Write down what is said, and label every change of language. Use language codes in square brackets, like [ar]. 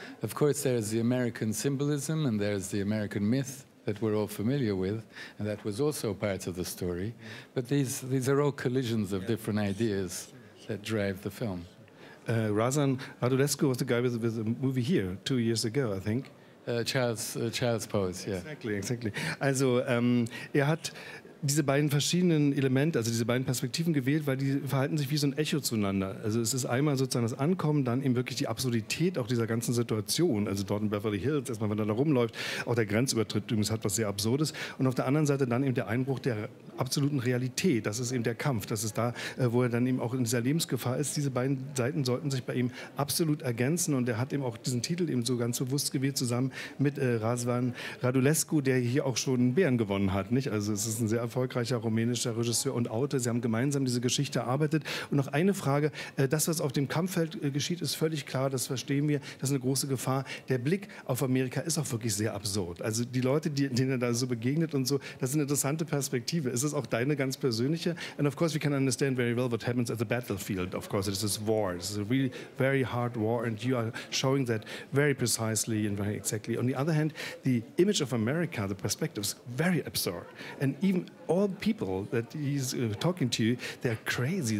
[en] Of course, there's the American symbolism and there's the American myth that we're all familiar with, and that was also part of the story. But these are all collisions of different ideas that drive the film. Razvan Radulescu was the guy with the movie here 2 years ago, I think. Charles Pose, yeah. Exactly. [de] Also, er hat diese beiden verschiedenen Elemente, also diese beiden Perspektiven gewählt, weil die verhalten sich wie so ein Echo zueinander. Also es ist einmal sozusagen das Ankommen, dann eben wirklich die Absurdität auch dieser ganzen Situation, also dort in Beverly Hills, erstmal wenn er da rumläuft, auch der Grenzübertritt übrigens hat was sehr Absurdes. Und auf der anderen Seite dann eben der Einbruch der absoluten Realität, das ist eben der Kampf, das ist da, wo er dann eben auch in dieser Lebensgefahr ist. Diese beiden Seiten sollten sich bei ihm absolut ergänzen und er hat eben auch diesen Titel eben so ganz bewusst gewählt, zusammen mit Razvan Radulescu, der hier auch schon einen Bären gewonnen hat, nicht? Also es ist ein sehr erfolgreicher rumänischer Regisseur und Autor. Sie haben gemeinsam diese Geschichte erarbeitet. Und noch eine Frage. Das, was auf dem Kampffeld geschieht, ist völlig klar. Das verstehen wir. Das ist eine große Gefahr. Der Blick auf Amerika ist auch wirklich sehr absurd. Also die Leute, denen er da so begegnet und so, das ist eine interessante Perspektive. Ist es auch deine ganz persönliche? [en] And of course, we can understand very well what happens at the battlefield. Of course, this is war. This is a really very hard war. And you are showing that very precisely and very exactly. On the other hand, the image of America, the perspective, is very absurd. And even all people that he's talking to, they're crazy.